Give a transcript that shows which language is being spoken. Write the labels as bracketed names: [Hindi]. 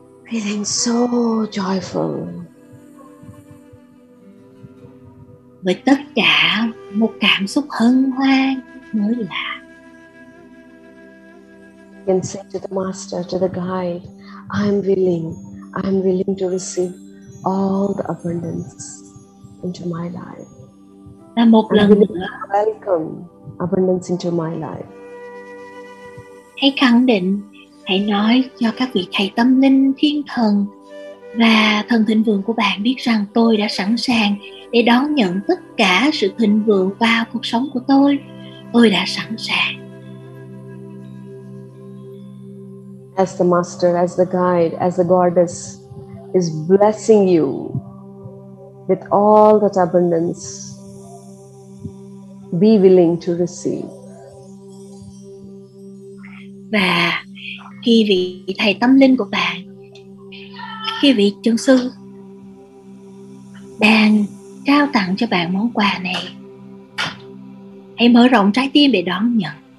[English] Feeling so joyful. [Vietnamese] Với tất cả một cảm xúc hân hoan mới lạ. [English] You can say to the master, to the guide, I'm willing to receive all the abundance into my life. [Vietnamese] Và một lần nữa, [English] welcome abundance into my life. [Vietnamese] Hãy khẳng định, hãy nói cho các vị thầy tâm linh, thiên thần và thần thịnh vượng của bạn biết rằng tôi đã sẵn sàng để đón nhận tất cả sự thịnh vượng vào cuộc sống của tôi. Tôi đã sẵn sàng. [English] As the master, as the guide, as the goddess is blessing you with all that abundance, be willing to receive. [Vietnamese] Và khi vị thầy tâm linh của bạn, khi vị chân sư đang trao tặng cho bạn món quà này, hãy mở rộng trái tim để đón nhận.